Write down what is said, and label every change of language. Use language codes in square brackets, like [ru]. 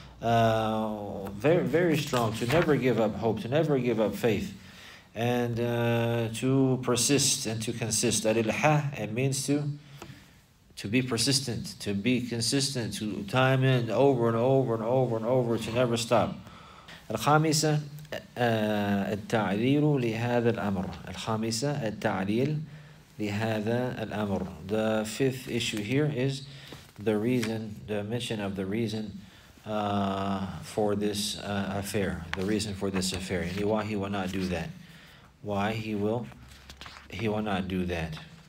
[en] Very, very strong. To never give up hope, to never give up faith. And to persist and to consist. Al-ilha, it means to be persistent, to be consistent, to time in over and over and over and over, to never stop. [ar] Al-khamisa. التعليل لهذا الأمر. الخامسة التعليل لهذا الأمر. [en] The fifth issue here is the reason, the mention of the reason for this affair. The reason for this affair. And why he will not do that. Why he will not do that.